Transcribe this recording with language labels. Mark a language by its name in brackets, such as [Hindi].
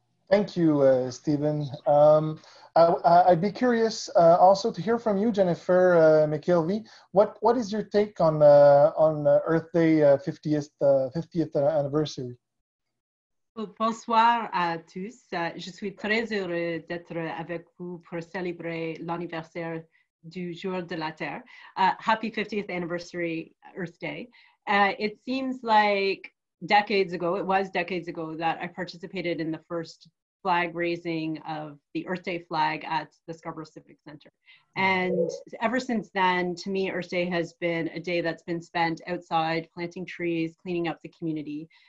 [English] Thank you, Stephen. I'd be curious also to hear from you, Jennifer McKelvey. What is your take on Earth Day 50th anniversary? [French] Bonsoir à tous. Je suis très heureux d'être avec vous pour célébrer l'anniversaire du Jour de la Terre. [English] Happy 50th anniversary, Earth Day. It seems like decades ago, that I participated in the first flag raising of the Earth Day flag at the Scarborough Civic Center. And ever since then, to me, Earth Day has been a day that's been spent outside planting trees, cleaning up the community.